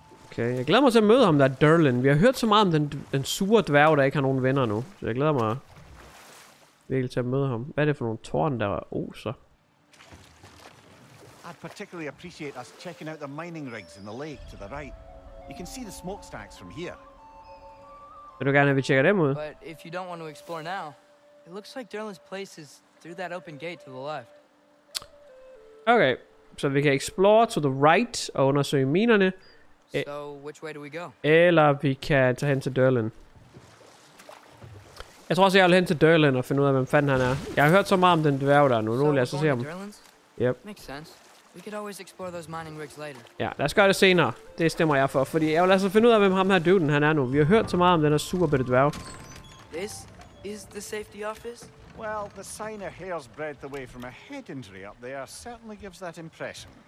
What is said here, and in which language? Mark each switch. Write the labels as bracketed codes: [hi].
[da] Okay, jeg glæder mig til at møde ham, der er Derlin. Vi har hørt så meget om den sure dværg, der ikke har nogen venner nu. Så jeg glæder mig virkelig til at møde ham. Hvad er det for nogle tårn, der er oser? [en] I'd particularly appreciate us checking out the mining rigs in the lake to the right. You can see the smokestacks from here. [da] Vil du gerne, at vi tjekker dem ud? [en] But if you don't want to explore now, it looks like Derlin's place is through that open gate to the left. [da] Okay, så vi kan [en] explore to the right [da] og undersøge minerne. [en] So which way do we go? [da] Eller vi kan tage hen til Derlin. Jeg tror også, jeg vil hen til Derlin og finde ud af, hvem fanden han er. Jeg har hørt så meget om den dværg der nu. Nu lad os se ham. [en] Yep. Makes sense. We could always explore those mining rigs later. [da] Ja, lad os gøre det senere. Det stemmer jeg for, fordi jeg vil altså finde ud af, hvem ham her duden han er nu. Vi har hørt så meget om den her superbitte dværg. [en] This is the safety office? Well, the sign a hair's breadth away from a head injury up there certainly gives that impression.